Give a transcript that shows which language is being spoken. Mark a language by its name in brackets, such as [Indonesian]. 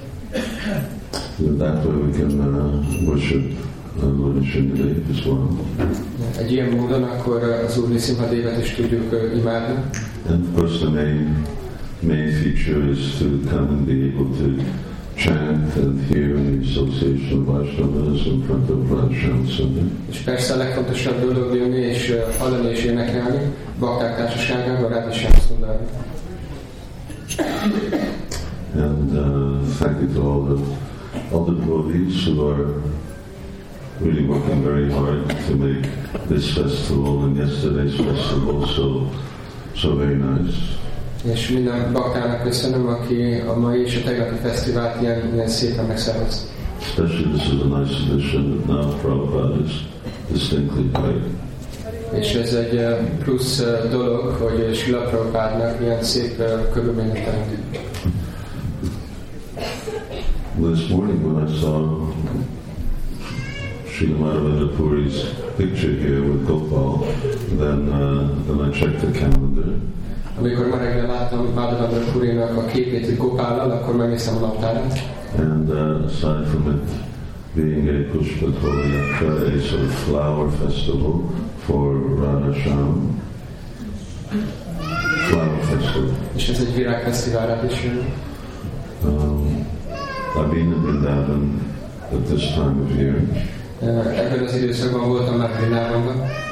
[English] That way we can worship Lord Nisimhadev as well. [Hungarian] Egy ilyen módon akkor az Úr Nisimhadévet is tudjuk imádni. [English] And of course the main feature is to come and be able to chant and hear the association of Vaishnavas in front of Radhashyam Sundar. [Hungarian] És persze a legfontosabb dolog jönni és hallani és énekelni Bakták társaságában Radhashyam Sundar. [English] And thank you to all the devotees who are really working very hard to make this festival and yesterday's festival so very nice. [Hungarian] És minden baktának köszönöm, aki a mai és a tegnapi fesztivált ilyen szépen megszervez. [English] Especially this is a nice addition that now Prabhupada is distinctly great. [Hungarian] És ez egy plusz dolog, hogy Srila Prabhupádnak ilyen szép körülményt adunk. [English] This morning when I saw Srila Madhavendra Puri's picture here with Gopal, then I checked the calendar. [Hungarian] Amikor ma reggel láttam Madhavendra Purinak a képét egy Gopállal, akkor megnéztem a naptárat. [English] And aside from it being a Pushpatvayatra, a sort of flower festival for Radhashyam. Flower festival. [Hungarian] És ez egy virágfesztivál Radhashyam. [English] I've been in Vrindavan at this time of year. [Hungarian] Ebben az időszakban voltam már Vrindavanban.